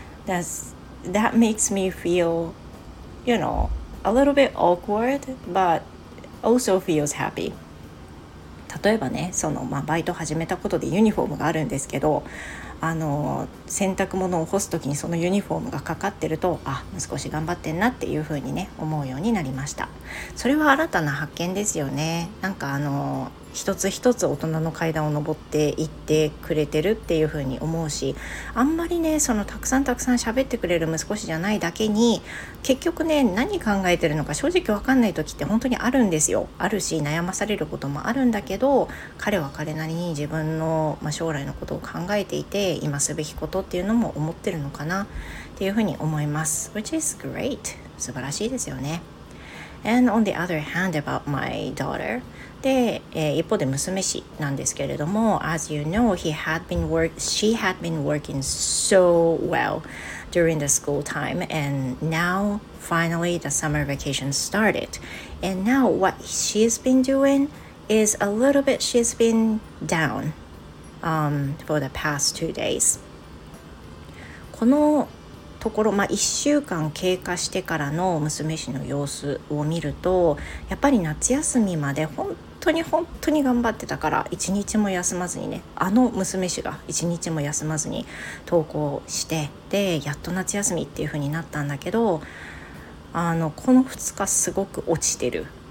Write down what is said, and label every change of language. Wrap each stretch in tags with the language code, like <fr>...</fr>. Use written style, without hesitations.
<en>That makes me feel, you know, a little bit awkward, but also feels happy.</en> <ja>例えばね、バイト始めたことでユニフォームがあるんですけど、洗濯物を干すときにそのユニフォームがかかってると、あ、息子し頑張ってんなっていう風にね思うようになりました。それは新たな発見ですよね。なんか一つ一つ大人の階段を登っていってくれてるっていう風に思うし、あんまりねたくさんたくさん喋ってくれる息子しじゃないだけに、結局ね何考えてるのか正直わかんない時って本当にあるんですよ。あるし悩まされることもあるんだけど、彼は彼なりに自分の、将来のことを考えていて、今すべきことっていうのも思ってるのかなっていう風に思います。</ja> <en>Which is great.</en> <ja>素晴らしいですよね。</ja> <en>And on the other hand about my daughter.</en> <ja>で、一方で娘氏なんですけれども、</ja> <en>As you know, she had been working so well during the school time. And now, finally, the summer vacation started. And now what she's been doing is a little bit, she's been down, for the past 2 days.</en> <ja>このところ、1週間経過してからの娘氏の様子を見ると、やっぱり夏休みまで本当に本当に頑張ってたから、一日も休まずにね、あの娘氏が一日も休まずに登校して、でやっと夏休みっていう風になったんだけど、この2日すごく落ちてる。</ja>